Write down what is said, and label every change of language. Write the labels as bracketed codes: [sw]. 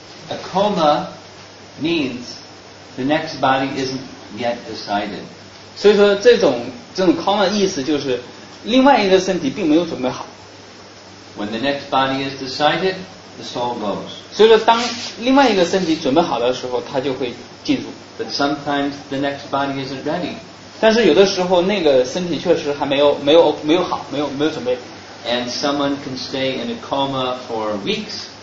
[en] A coma means the next body isn't yet decided. [zh] 所以说这种 coma 的意思就是另外一个身体并没有准备好。 [en] When the next body is decided, the soul goes. [zh] 所以说当另外一个身体准备好的时候，它就会进入。 [en] But sometimes the next body isn't ready. [zh] 但是有的时候那个身体确实还没有好，没有准备。 [en] And someone can stay in a coma for weeks.